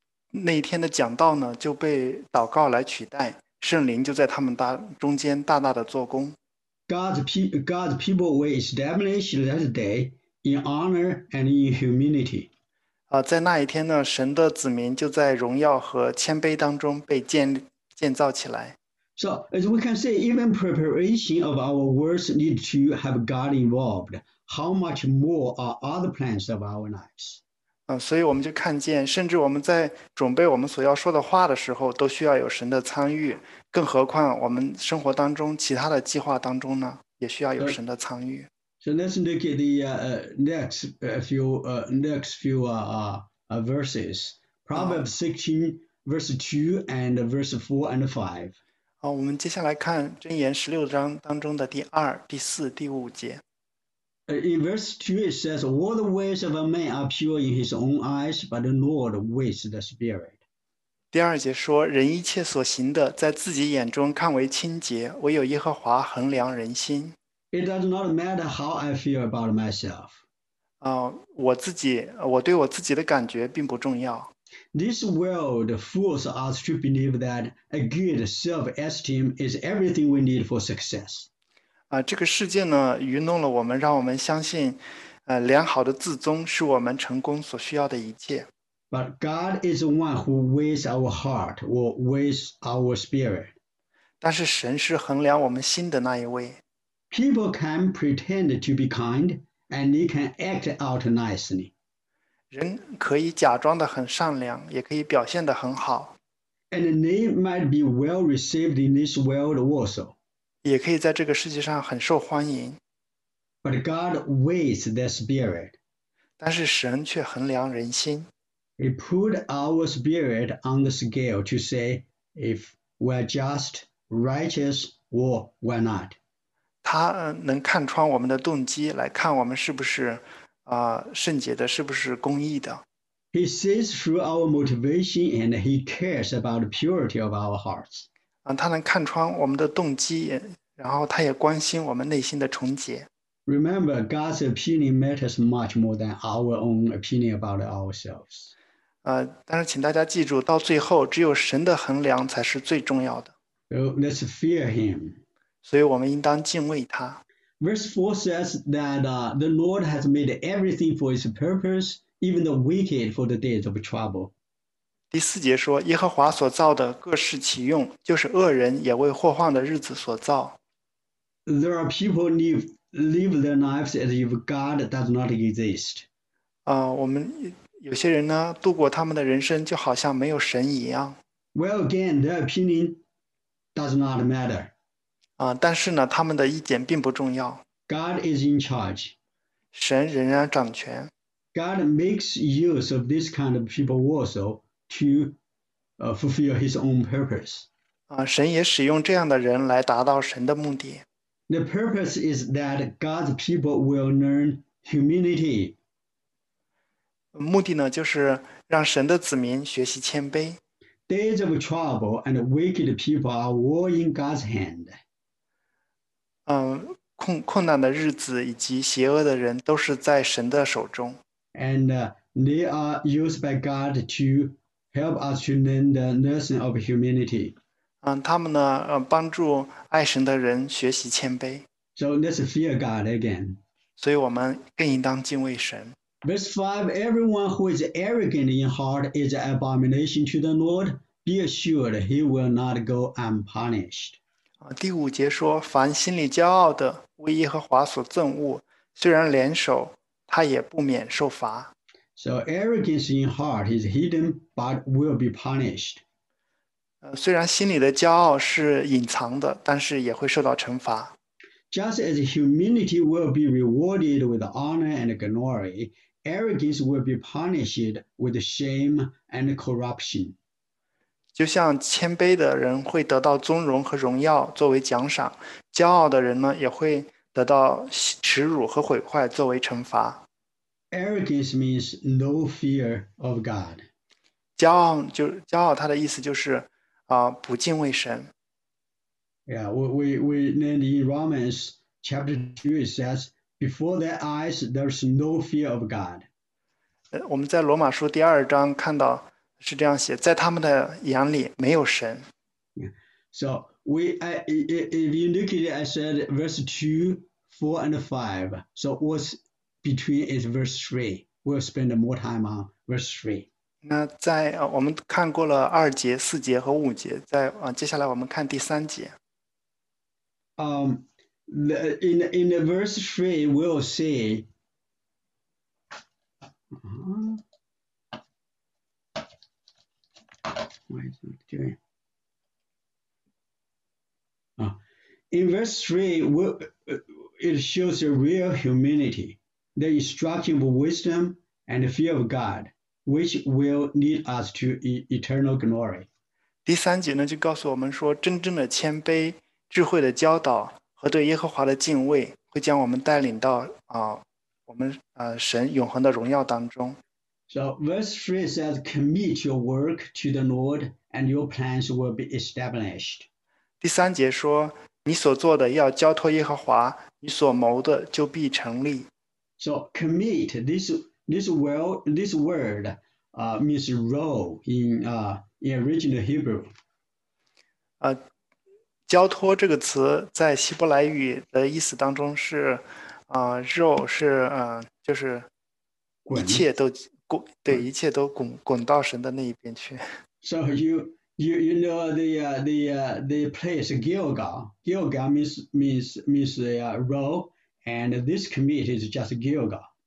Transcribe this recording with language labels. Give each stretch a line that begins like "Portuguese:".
Chinese: 那一天的讲道呢，就被祷告来取代，圣灵就在他们中间大大的做工。
English: God's people were established that day in honor and in humility.
Chinese: 在那一天呢，神的子民就在荣耀和谦卑当中被建造起来。
English: So, as we can see, even preparation of our words need to have God involved. How much more are other plans of our lives?
Chinese: 所以我们就看见，甚至我们在准备我们所要说的话的时候，都需要有神的参与，更何况我们生活当中其他的计划当中呢，也需要有神的参与。
English: So let's look at the next few verses. Proverbs 16, verse 2 and verse 4 and 5.
Chinese: 我们接下来看箴言16章当中的第二、第四、第五节。
English: In verse 2, it says, "All the ways of a man are pure in his own eyes, but the Lord weighs the spirit."
Chinese: 第二节说：“人一切所行的，在自己眼中看为清洁，唯有耶和华衡量人心。
English: It does not matter how I feel about myself.
Chinese: ”我对我自己的感觉并不重要。
English: This world fools us to believe that a good self-esteem is everything we need for success.
Chinese: 这个世界呢，愚弄了我们，让我们相信，良好的自尊是我们成功所需要的一切。
English: But God is the one who weighs our heart or weighs our spirit.
Chinese: 但是神是衡量我们心的那一位。
English: People can pretend to be kind and they can act out nicely.
Chinese: 人可以假装得很善良，也可以表现得很好，
English: And they might be well received in this world also.
Chinese: 也可以在这个世界上很受欢迎。
English: But God weighs their spirit.
Chinese: 但是神却衡量人心。
English: He put our spirit on the scale to say if we're just, righteous, or we're not.
Chinese: 他能看穿我们的动机，来看我们是不是圣洁的，是不是公义的。
English: He sees through our motivation and he cares about the purity of our hearts.
Chinese: 他能看穿我们的动机，然后他也关心我们内心的纯洁。
English: Remember, God's opinion matters much more than our own opinion about ourselves.
Chinese: 但是请大家记住，到最后只有神的衡量才是最重要的。
English: So let's fear him.
Chinese: 所以我们应当敬畏他。
English: Verse 4 says that the Lord has made everything for his purpose, even the wicked for the days of trouble.
Chinese: 第四节说，耶和华所造的各适其用，就是恶人也为祸患的日子所造。
English: There are people live their lives as if God does not exist.
Chinese: 我们有些人呢，度过他们的人生就好像没有神一样。
English: Well, again, their opinion does not matter.
Chinese: 但是呢，他们的意见并不重要。
English: God is in charge.
Chinese: 神仍然掌权。
English: God makes use of this kind of people also to fulfill his own purpose.
Chinese: 神也使用这样的人来达到神的目的。
English: The purpose is that God's people will learn humility.
Chinese: 目的呢，就是让神的子民学习谦卑。
English: Days of trouble and wicked people are all in God's hand.
Chinese: 困难的日子以及邪恶的人都是在神的手中。
English: And they are used by God to help us to learn the lesson of humility.
Chinese: 他们呢，帮助爱神的人学习谦卑。
English: So let's fear God again.
Chinese: 所以我们更应当敬畏神。
English: Verse 5, everyone who is arrogant in heart is an abomination to the Lord. Be assured, he will not go unpunished.
Chinese: 第五节说，凡心里骄傲的，为耶和华所憎恶，虽然联手，他也不免受罚。
English: So arrogance in heart is hidden but will be punished.
Chinese: 虽然心里的骄傲是隐藏的，但是也会受到惩罚。
English: Just as humility will be rewarded with honor and glory, arrogance will be punished with shame and corruption.
Chinese: 就像谦卑的人会得到尊荣和荣耀作为奖赏，骄傲的人呢，也会得到耻辱和毁坏作为惩罚。
English: Arrogance means no fear of God.
Chinese: 骄傲它的意思就是，不敬畏神。
English: Yeah, we learned in Romans chapter 2, it says, before their eyes, there's no fear of God.
Chinese: 我们在罗马书第二章看到。是这样写，在他们的眼里没有神。
English: So, if you look at it, I said verse 2, 4, and 5. So, what's between is verse 3. We'll spend more time on verse 3.
Chinese: 那在我们看过了2节、4节和5节，接下来我们看第3节。
English: In verse 3, we'll see. Why is it doing? In verse 3, it shows a real humility, the instruction of wisdom and the fear of God, which will lead us to eternal glory.
Chinese: 第三节呢，就告诉我们说，真正的谦卑、智慧的教导和对耶和华的敬畏，会将我们带领到我们神永恒的荣耀当中。
English: So verse 3 says, commit your work to the Lord and your plans will be established.
Chinese: 第三节说，你所做的要交托耶和华，你所谋的就必成立。
English: So commit this word means role in original Hebrew.
Chinese: 交托这个词在希伯来语的意思当中是，肉是，就是一滚。切都滚，对，一切都滚到神的那一边去。
English: So you know the place Gilgal. Gilgal means role, and this committee is just Gilgal.